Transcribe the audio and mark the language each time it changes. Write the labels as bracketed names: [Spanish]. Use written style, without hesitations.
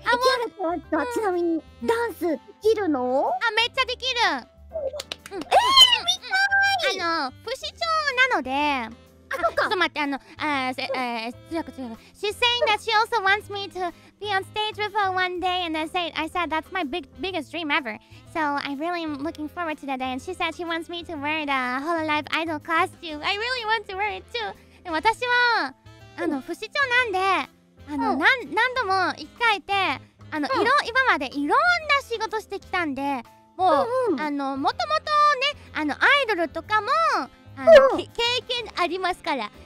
[Japanese] キアラちゃんはちなみに、ダンスできるの？あ、めっちゃできる。見たい！あの、不死鳥なので、あ、そっか。ちょっと待って、あの、強く。 [English] She's saying that she also wants me to be on stage with her one day, and I said that's my biggest dream ever. So I really am looking forward to that day. And she said she wants me to wear the Hololive Idol costume. I really want to wear it too. [Japanese] 私は、あの、不死鳥なんで、あの、何度も生き返って、あの、今までいろんな仕事してきたんで、もう、あの、もともとね、あの、アイドルとかも、あの、経験ありますから。